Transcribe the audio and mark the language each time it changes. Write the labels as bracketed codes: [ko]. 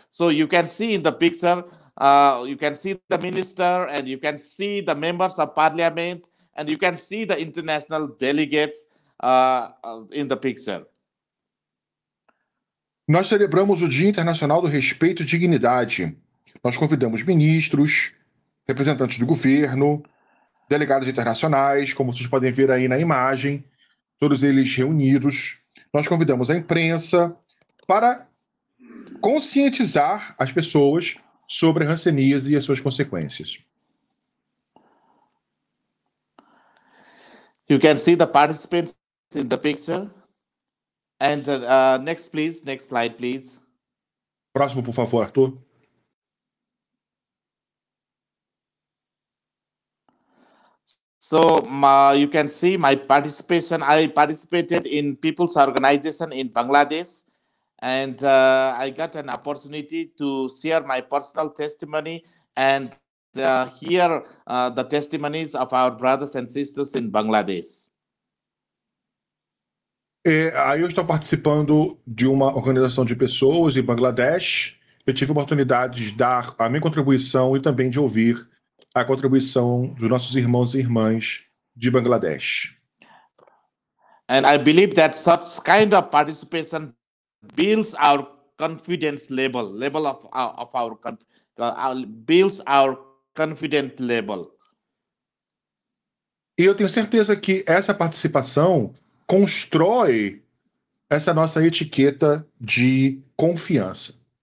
[en] So you can see in the picture, you can see the minister, and you can see the members of parliament, and you can see the international delegates in the picture. [pt] Nós celebramos o Dia Internacional do Respeito e Dignidade. Nós convidamos ministros, representantes do governo, delegados internacionais, como vocês podem ver aí na imagem, todos eles reunidos. Nós convidamos a imprensa para conscientizar as pessoas sobre a hanseníase e as suas consequências. [en] You can see the participants in the picture. And next slide, please. [pt] Próximo, por favor, Arthur. [en] So you can see my participation. I participated in people's organization in Bangladesh, and I got an opportunity to share my personal testimony and hear the testimonies of our brothers and sisters in Bangladesh. [pt] E aí eu estou participando de uma organização de pessoas em Bangladesh. Eu tive a oportunidade de dar a minha contribuição e também de ouvir a contribuição dos nossos irmãos e irmãs de Bangladesh. [en] And I believe that such kind of participation builds our confidence level of our builds our confidence level. [pt] E eu tenho certeza que essa participação constrói essa nossa etiqueta de confiança.